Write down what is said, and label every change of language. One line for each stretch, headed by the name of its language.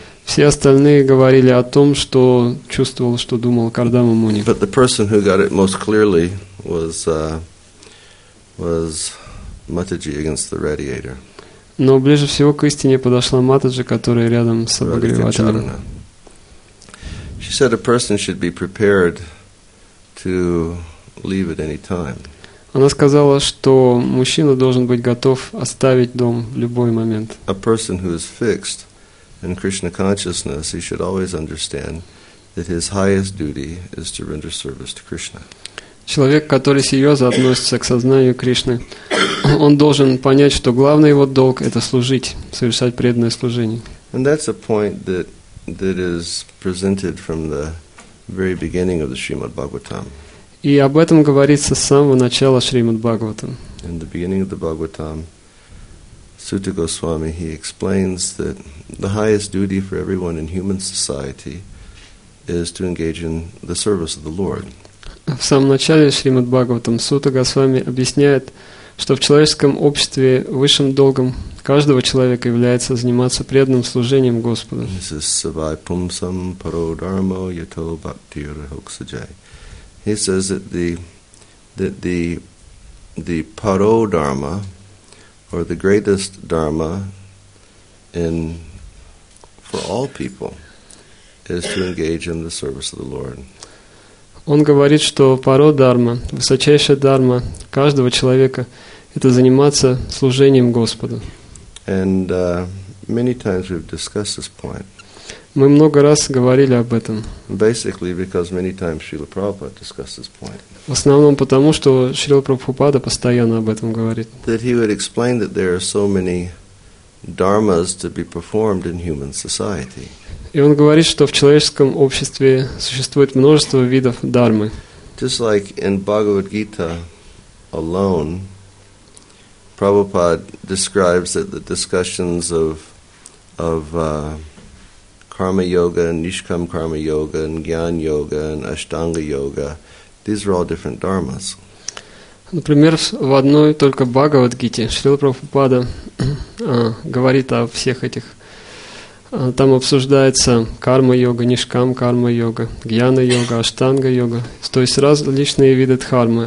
Russian: Все остальные говорили о том, что чувствовал, что думал Кардама Муни.
English: But the person who got it most clearly was Матаджи against the radiator.
Russian: Но ближе всего к истине подошла Матаджи, которая рядом с обогревателем.
English: She said a person should be prepared to leave at any time.
Russian: Она сказала, что мужчина должен быть готов оставить дом в любой момент.
English: A person who is fixed in Krishna consciousness, he should always understand that his highest duty is to render service to Krishna.
Russian: Человек, который серьезно относится к сознанию Кришны, он должен понять, что главный его долг – это служить, совершать преданное служение.
English: And that's a point that is presented from the very beginning of the Srimad Bhagavatam.
Russian: И об этом говорится с самого начала Шримад Бхагаватам.
English: In the beginning of the Bhagavatam, Sutta Goswami, he explains that the highest duty for everyone in human society is to engage in the service of the Lord.
Russian: В самом начале Шримад Бхагаватам Сута Госвами объясняет, что в человеческом обществе высшим долгом каждого человека является заниматься преданным служением Господу.
Sanskrit: This is Savai Pumsam Paro Dharmo Yato Bhaktir Hoksajai.
English: He says that the Paro Dharma, or the greatest Dharma for all people, is to engage in the service of the Lord.
Russian: Он говорит, что паро-дарма, высочайшая дарма каждого человека, это заниматься служением Господу.
English: And many times we've discussed this point.
Russian: Мы много раз говорили об этом.
English: Basically, because many times Srila Prabhupada discussed this point.
Russian: В основном потому, что Шрила Прабхупада постоянно об этом говорит.
English: That he would explain that there are so many dharmas to be performed in human society.
Russian: И он говорит, что в человеческом обществе существует множество видов дхармы.
English: Just like in Bhagavad Gita alone, Prabhupada describes that the discussions of karma yoga and nishkam karma yoga and jnana yoga and ashtanga yoga, these are all different dharmas.
Russian: Например, в одной только Бхагавад Гите Шрила Прабхупада говорит о всех этих. Там обсуждается карма-йога, нишкам-карма-йога, гьяна-йога, аштанга-йога. То есть различные виды дхармы.